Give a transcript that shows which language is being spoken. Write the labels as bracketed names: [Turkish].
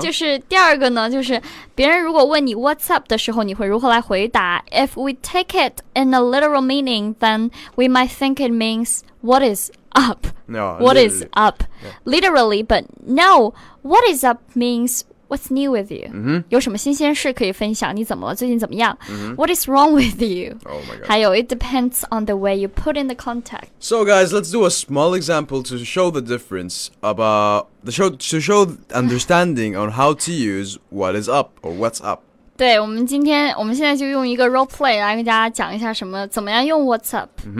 [Chinese] 就是第二个呢，就是别人如果问你 [English] what's up [Chinese] 的时候，你会如何来回答？ [English] If we take it in a literal meaning, then we might think it means what is up? No, what literally. Is up? Yeah. Literally, but no, what is up means what's new with you? [Chinese] 有什么新鲜事可以分享？你怎么了？最近怎么样？ [English] What is wrong with you? Oh my god. [Chinese] 还有 [English] it depends on the way you put in the context. So guys, let's do a small example to show the difference about the show, to show understanding on how to use what is up or what's up. [Chinese] 对，我们今天，我们现在就用一个 role play 来跟大家讲一下什么，怎么样用 [English] what's up.